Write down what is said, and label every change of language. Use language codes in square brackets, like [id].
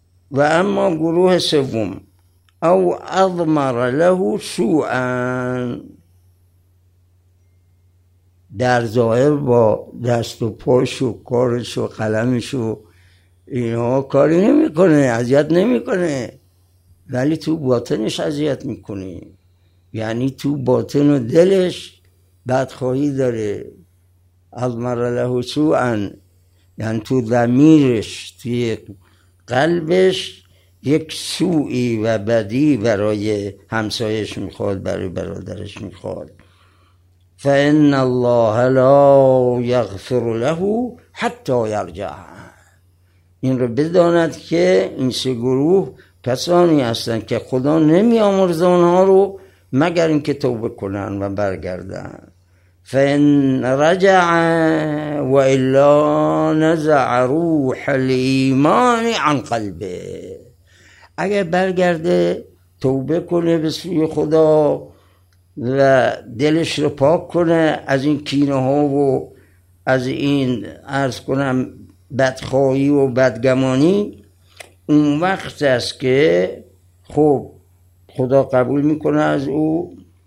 [fa] و اما گروه سوم، [ar] او اضمر له سوءا، [fa] در ظاهر با دست و پاش و کارش و قلمش و اینها کاری نمی کنه، اذیت نمی کنه، ولی تو باطنش اذیت می کنه، یعنی تو باطن و دلش بدخواهی داره. [ar] اضمر له سوءا، [fa] یعنی تو ضمیرش، تو قلبش یک سوءی و بدی برای همسایش می خواد، برای برادرش می خواد. [ar] فان الله لا يغفر له حتى يرجع. [fa] این رو بداند که این سه گروه کسانی هستند که خدا نمیامرزه اونها رو مگر اینکه توبه کنن و برگردن. [ar] فان رجع والا نزع روح الايمان عن قلبه، [fa] اگر برگرده توبه کنه به سوی خدا و دلش رو پاک کنه از این کینه ها و از این عرض کنم بدخواهی و بدگمانی، اون وقت است که خب خدا قبول میکنه از او.